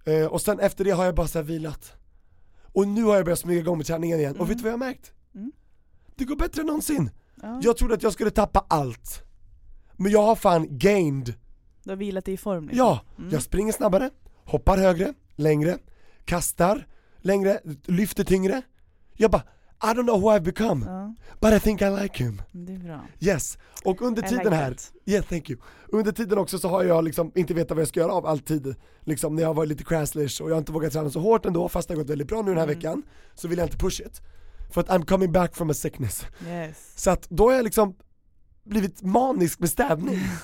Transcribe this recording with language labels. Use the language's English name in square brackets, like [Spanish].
[Swedish] Och sen efter det har jag bara så här vilat. Och nu har jag börjat smyga igång med träningen igen. Och vet du vad jag har märkt? Det går bättre än någonsin. Jag trodde att jag skulle tappa allt. Men jag har fan gained. Du har vilat dig i form. Liksom. Ja, jag springer snabbare, hoppar högre, längre, kastar längre, lyfter tyngre. Jag bara, [English] I don't know who I've become, but I think I like him. [Swedish] Det är bra. [English] Yes, [Swedish] och under tiden här, [English] yeah, thank you. [Swedish] Under tiden också så har jag liksom inte vetat vad jag ska göra av all tid. Liksom när jag har varit lite crashlish och jag har inte vågat träna så hårt ändå, fast det har gått väldigt bra nu den här veckan, så vill jag inte [English] push it. [Swedish] För att [English] I'm coming back from a sickness. Yes. [Swedish] Så att då är jag liksom blivit manisk med städning.